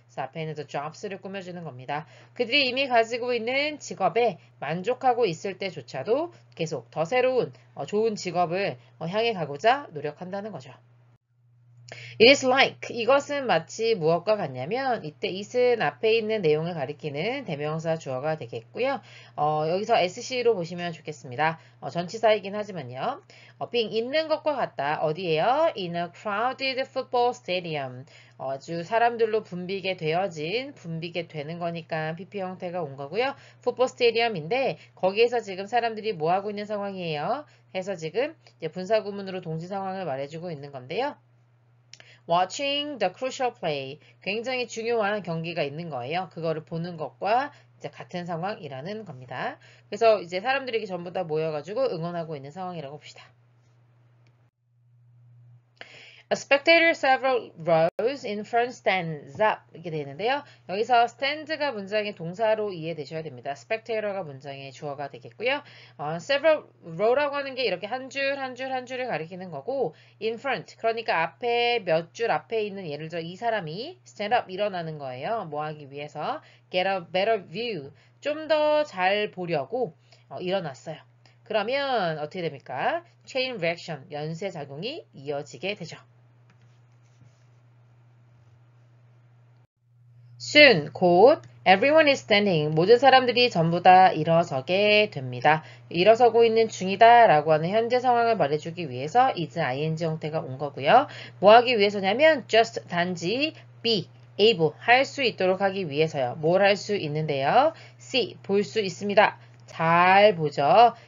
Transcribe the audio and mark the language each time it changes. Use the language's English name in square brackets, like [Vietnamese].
[Korean] 그래서 앞에는 [English] the jobs [Korean] 를 꾸며주는 겁니다. 그들이 이미 가지고 있는 직업에 만족하고 있을 때조차도 계속 더 새로운 좋은 직업을 향해 가고자 노력한다는 거죠. [English] It is like [Korean] 이것은 마치 무엇과 같냐면 이때 is 앞에 있는 내용을 가리키는 대명사 주어가 되겠고요. 여기서 SC로 보시면 좋겠습니다. 전치사이긴 하지만요. Being 있는 것과 같다. 어디예요? [English] In a crowded football stadium. [Korean] 아주 사람들로 분비게 되는 거니까 PP 형태가 온 거고요. Football stadium인데 거기에서 지금 사람들이 뭐 하고 있는 상황이에요? 해서 지금 이제 분사구문으로 동시 상황을 말해주고 있는 건데요. [English] Watching the crucial play. [Korean] 굉장히 중요한 경기가 있는 거예요. 그거를 보는 것과 이제 같은 상황이라는 겁니다. 그래서 이제 사람들이 전부 다 모여가지고 응원하고 있는 상황이라고 봅시다. [English] A spectator several rows in front stands up. [Korean] 이렇게 되는데요. 여기서 stands가 문장의 동사로 이해되셔야 됩니다. spectator가 문장의 주어가 되겠고요. Several row라고 하는 게 이렇게 한 줄, 한 줄, 한 줄을 가리키는 거고, [English] in front, [Korean] 그러니까 앞에 몇줄 앞에 있는 예를 들어 이 사람이 stand up 일어나는 거예요. 뭐 하기 위해서? [English] Get a better view. [Korean] 좀더잘 보려고 일어났어요. 그러면 어떻게 됩니까? [English] Chain reaction, [Korean] 연쇄작용이 이어지게 되죠. Soon, 곧, everyone is standing. 모든 사람들이 전부 다 일어서게 됩니다. 일어서고 있는 중이다 라고 하는 현재 상황을 말해주기 위해서 is, ing 형태가 온 거고요. 뭐 하기 위해서냐면, just, 단지, be, able, 할수 있도록 하기 위해서요. 뭘할수 있는데요. see, 볼수 있습니다. 잘 보죠.